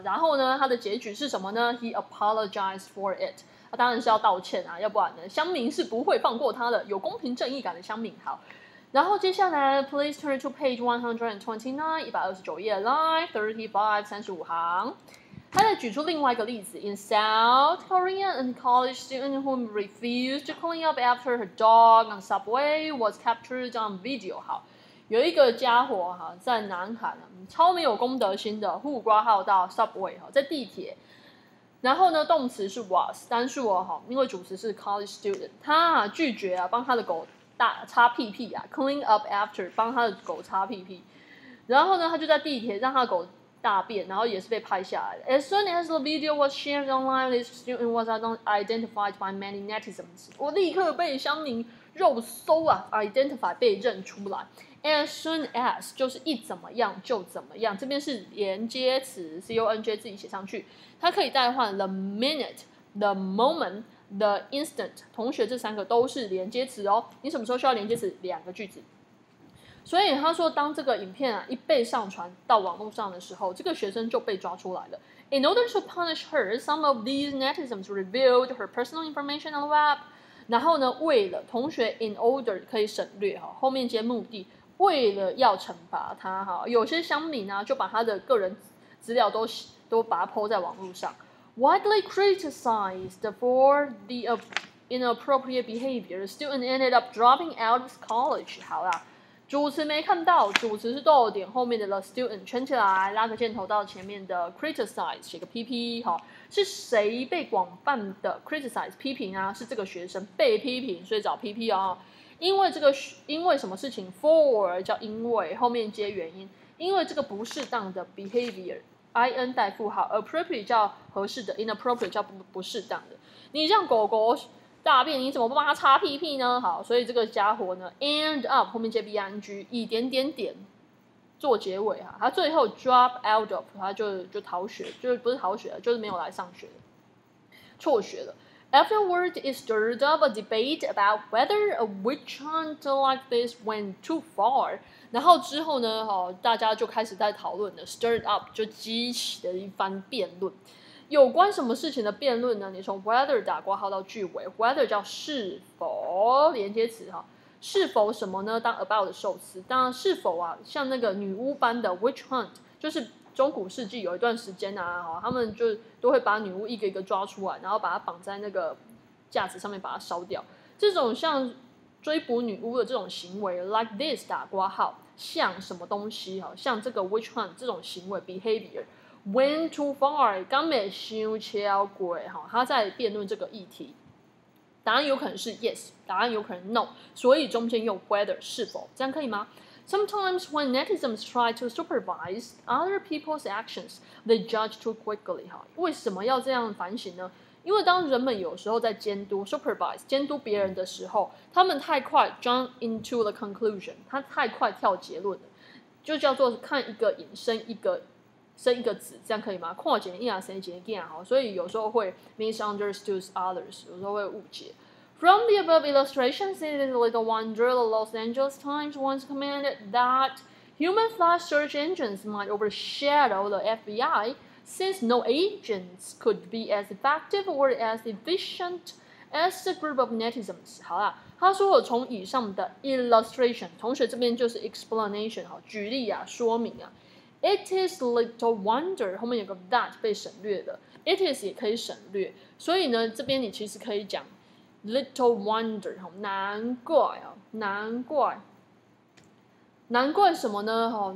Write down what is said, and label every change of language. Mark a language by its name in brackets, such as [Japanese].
[Chinese] 然后呢他的结局是什么呢？ [English] He apologized for it， [Chinese] 他当然是要道歉啊，要不然呢乡民是不会放过他的，有公平正义感的乡民。好，然后接下来 [English] Please turn to page 129 [Chinese] 页 line 35行，他在举出另外一个例子。 [English] In South Korea, a college student who refused to clean up after her dog on subway was captured on video。 [Chinese] 好，有一个家伙在南韩超没有公德心的，户挂号到 subway 在地铁，然后呢动词是 was， 单数因为主词是 college student， 他拒绝帮他的狗擦屁屁啊， clean up after 帮他的狗擦屁屁，然后呢他就在地铁让他的狗大便，然后也是被拍下来的。 [English] As soon as the video was shared online, this student was identified by many netizens。 [Chinese] 我立刻被乡民肉搜啊， identify 被认出来。 As soon as 就是一怎么样就怎么样，这边是连接词 CONJ 自己写上去，它可以代换 [English] the minute, the moment, the instant， [Chinese] 同学这三个都是连接词哦，你什么时候需要连接词？两个句子。所以他说当这个影片一被上传到网络上的时候，这个学生就被抓出来了。 [English] In order to punish her, some of these netizens revealed her personal information on the web。 [Chinese] 然后呢为了同学 in order 可以省略后面接目的，为了要惩罚他，有些乡民就把他的个人资料 都把他po在网络上。 [English] Widely criticized for the inappropriate behavior, student ended up dropping out of college。 [Chinese] 好啦，主词没看到，主词是逗点，后面的 the student 圈起来，拉个箭头到前面的 criticize， 写个 PP， 是谁被广泛的 criticize 批评啊？是这个学生被批评，所以找 PP 啊。因为这个，因为什么事情 ？For 叫因为，后面接原因。因为这个不适当的 behavior，in 代负号 ，appropriate 叫合适的 ，inappropriate 叫不适当的。你让狗狗大便，你怎么不帮他擦屁屁呢？好，所以这个家伙呢 ，end up 后面接 ing， 以点点点做结尾他最后 drop out of， 他 就逃学，就不是逃学了，就是没有来上学了，辍学了。 [English] Afterward, it stirred up a debate about whether a witch hunt like this went too far. [Chinese] 然后之后呢，大家就开始在讨论了 ，stirred up 就激起的一番辩论。有关什么事情的辩论呢？你从 whether 打括号到句尾 ，whether 叫是否连接词是否什么呢？当 about 的受词，当是否像那个女巫般的 witch hunt， 就是。中古世纪有一段时间他们就都会把女巫一个一个抓出来，然后把她绑在那个架子上面，把她烧掉。这种像追捕女巫的这种行为 ，like this 打括号，像什么东西像这个 witch hunt 这种行为 behavior [English] went too far， [Chinese] 刚没想超过他在辩论这个议题。答案有可能是 yes， 答案有可能 no， 所以中间用 whether 是否，这样可以吗？ [English] Sometimes when netizens try to supervise other people's actions, they judge too quickly. [Chinese] 为什么要这样反省呢？因为当人们有时候在监督 supervise 监督别人的时候，他们太快 [English] jump into the conclusion， [Chinese] 他太快跳结论了，就叫做看一个影生一个生一个子，这样可以吗？看一个影生一个影，所以有时候会 [English] misunderstood others， [Chinese] 有时候会误解。 [English] From the above illustrations, it is a little wonder the Los Angeles Times once commented that human flash search engines might overshadow the FBI, since no agents could be as effective or as efficient as a group of netizens. [Chinese] 好啦，他说从以上的 illustration， 同学这边就是 explanation， 好，举例啊，说明啊。 [English] It is a little wonder， [Chinese] 后面有个 that 被省略的 ，it is 也可以省略，所以呢，这边你其实可以讲。 [English] Little wonder， [Chinese] 难怪什么呢？